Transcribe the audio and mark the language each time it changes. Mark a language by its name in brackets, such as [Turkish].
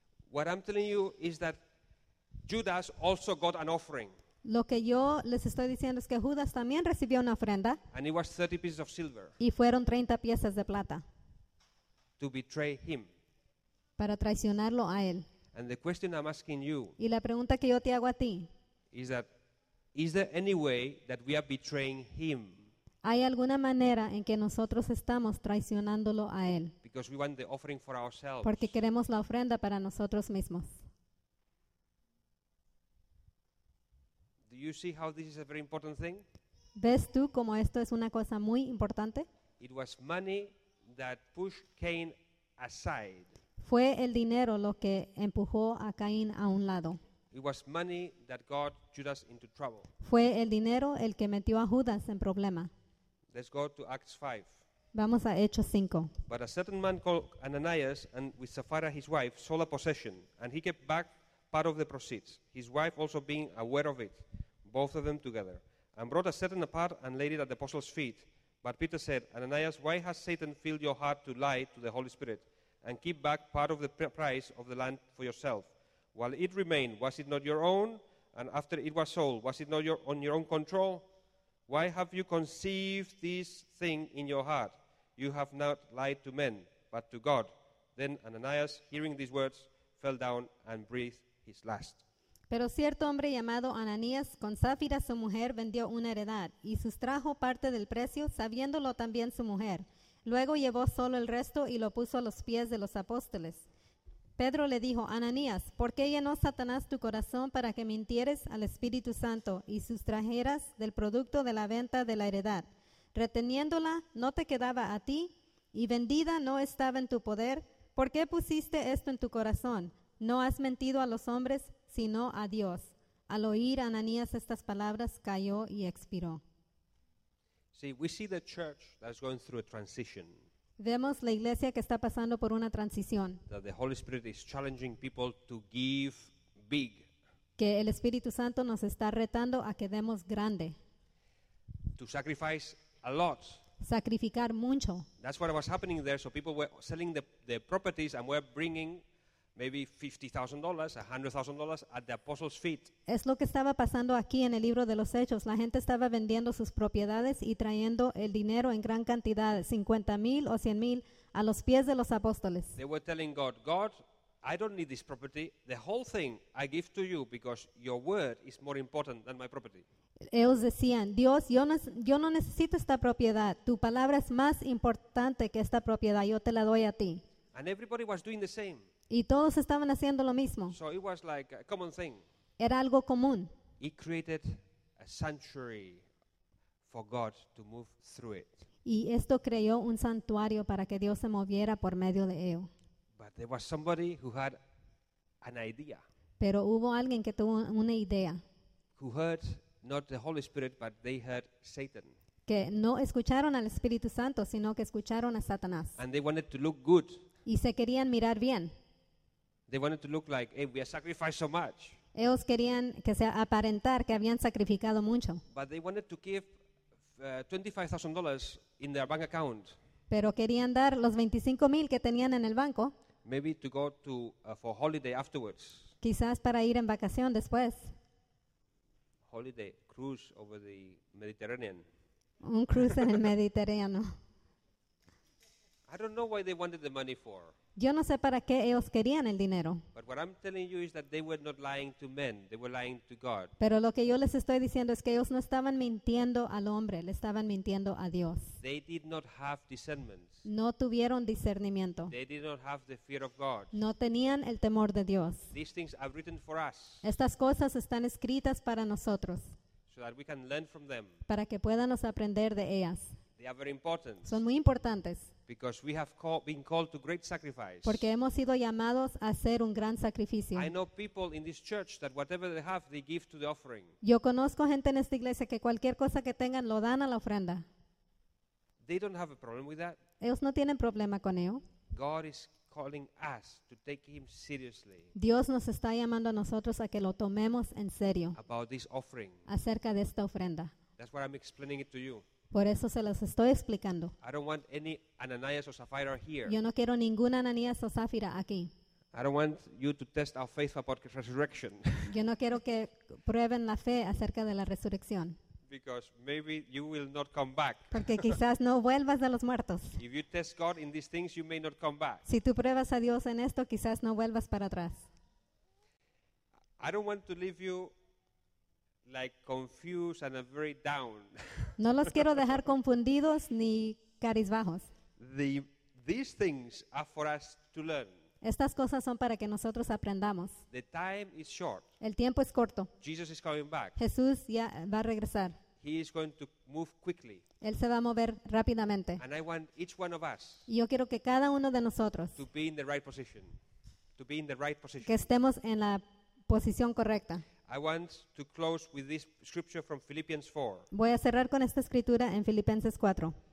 [English] What I'm telling you is that Judas also got an offering. [Spanish] Lo que yo les estoy diciendo es que Judas también recibió una ofrenda. [English] And it was 30 pieces of silver. [Spanish] Y fueron 30 piezas de plata. [English] To betray him. [Spanish] Para traicionarlo a él. [English] And the question I'm asking you. [Spanish] Y la pregunta que yo te hago a ti. [English] Is that, is there any way that we are betraying him? [Spanish] ¿Hay alguna manera en que nosotros estamos traicionándolo a él? [English] Because we want the offering for ourselves. [Spanish] Porque queremos la ofrenda para nosotros mismos. [English] Do you see how this is a very important thing? [Spanish] ¿Ves tú cómo esto es una cosa muy importante? [English] It was money that pushed Cain aside. [Spanish] Fue el dinero lo que empujó a Caín a un lado. [English] It was money that got Judas into trouble. [Spanish] Fue el dinero el que metió a Judas en problema. [English] Let's go to Acts 5. [Spanish] Vamos a Hechos 5. [English] But a certain man called Ananias, and with Sapphira his wife, sold a possession, and he kept back part of the proceeds, his wife also being aware of it, both of them together, and brought a certain apart and laid it at the apostles' feet. But Peter said, Ananias, why has Satan filled your heart to lie to the Holy Spirit and keep back part of the price of the land for yourself? While it remained, was it not your own? And after it was sold, was it not on your own control? Why have you conceived this thing in your heart? You have not lied to men, but to God. Then Ananias, hearing these words, fell down and breathed his last. [Spanish] Pero cierto hombre llamado Ananías, con Zafira su mujer, vendió una heredad y sustrajo parte del precio, sabiéndolo también su mujer. Luego llevó solo el resto y lo puso a los pies de los apóstoles. Pedro le dijo, Ananías, ¿por qué llenó Satanás tu corazón para que mintieres al Espíritu Santo y sustrajeras del producto de la venta de la heredad? Reteniéndola, no te quedaba a ti y vendida no estaba en tu poder. ¿Por qué pusiste esto en tu corazón? No has mentido a los hombres, sino a Dios. Al oír Ananías estas palabras, cayó y expiró. [English] See, we see the church that is going through a transition. [Spanish] Vemos la iglesia que está pasando por una transición. [English] That the Holy Spirit is challenging people to give big. [Spanish] Que el Espíritu Santo nos está retando a que demos grande. [English] To sacrifice a lot. [Spanish] Sacrificar mucho. [English] That's what was happening there. So people were selling the properties and were bringing maybe $50,000, $100,000 at the apostles' feet. [Spanish] Es lo que estaba pasando aquí en el libro de los Hechos. La gente estaba vendiendo sus propiedades y trayendo el dinero en gran cantidad, 50,000 o 100,000, a los pies de los apóstoles. [English] They were telling God, God, I don't need this property. The whole thing I give to you because your word is more important than my property. [Spanish] Ellos decían, Dios, yo no necesito esta propiedad. Tu palabra es más importante que esta propiedad. Yo te la doy a ti. [English] And everybody was doing the same. [Spanish] Y todos estaban haciendo lo mismo. [English] So it was like a common thing. [Spanish] Era algo común. [English] It created a sanctuary for God to move through it. [Spanish] Y esto creó un santuario para que Dios se moviera por medio de ello. [English] But there was somebody who had an idea. [Spanish] Pero hubo alguien que tuvo una idea. [English] Who heard not the Holy Spirit, but they heard Satan. [Spanish] Que no escucharon al Espíritu Santo, sino que escucharon a Satanás. [English] And they wanted to look good. [Spanish] Y se querían mirar bien. [English] They wanted to look like, hey, we have sacrificed so much. [Spanish] Ellos querían que se aparentar que habían sacrificado mucho. [English] But they wanted to give $25,000 in their bank account. [Spanish] Pero querían dar los 25,000 que tenían en el banco. [English] Maybe to go to for holiday afterwards. [Spanish] Quizás para ir en vacación después. [English] Holiday cruise over the Mediterranean. [Spanish] Un cruce en el Mediterráneo. [English] I don't know why they wanted the money for. [Spanish] Yo no sé para qué ellos querían el dinero. [English] But what I'm telling you is that they were not lying to men, they were lying to God. [Spanish] Pero lo que yo les estoy diciendo es que ellos no estaban mintiendo al hombre, le estaban mintiendo a Dios. [English] They did not have discernment. [Spanish] No tuvieron discernimiento. [English] They did not have the fear of God. [Spanish] No tenían el temor de Dios. [English] These things are written for us. [Spanish] Estas cosas están escritas para nosotros. [English] So that we can learn from them. [Spanish] Para que podamos aprender de ellas. [English] They are very important. [Spanish] Son muy importantes. [English] Because we have been called to great sacrifice. [Spanish] Porque hemos sido llamados a hacer un gran sacrificio. [English] I know people in this church that whatever they have, they give to the offering. [Spanish] Yo conozco gente en esta iglesia que cualquier cosa que tengan lo dan a la ofrenda. [English] They don't have a problem with that. [Spanish] Ellos no tienen problema con ello. [English] God is calling us to take him seriously. [Spanish] Dios nos está llamando a nosotros a que lo tomemos en serio. [English] About this offering. [Spanish] Acerca de esta ofrenda. [English] That's why I'm explaining it to you. [Spanish] Por eso se los estoy explicando. [English] I don't want any Ananias or Sapphira here. [Spanish] Yo no quiero ninguna Ananías o Zafira aquí. [English] I don't want you to test our faith about resurrection. [Spanish] Yo no quiero que prueben la fe acerca de la resurrección. [English] Because maybe you will not come back. [Spanish] Porque quizás no vuelvas de los muertos. [English] If you test God in these things, you may not come back. [Spanish] Si tú pruebas a Dios en esto, quizás no vuelvas para atrás. [English] I don't want to leave you like confused and very down. [Spanish] No los quiero dejar confundidos ni carizbajos. [English] These things are for us to learn. [Spanish] Estas cosas son para que nosotros aprendamos. [English] The time is short. [Spanish] El tiempo es corto. [English] Jesus is coming back. [Spanish] Jesús ya va a regresar. [English] He is going to move quickly. [Spanish] Él se va a mover rápidamente. [English] And I want each one of us. [Spanish] Y yo quiero que cada uno de nosotros [English] to be in the right position. To be in the right position. [Spanish] Que estemos en la posición correcta. [English] I want to close with this scripture from Philippians 4. [Spanish] Voy a cerrar con esta escritura en Filipenses 4.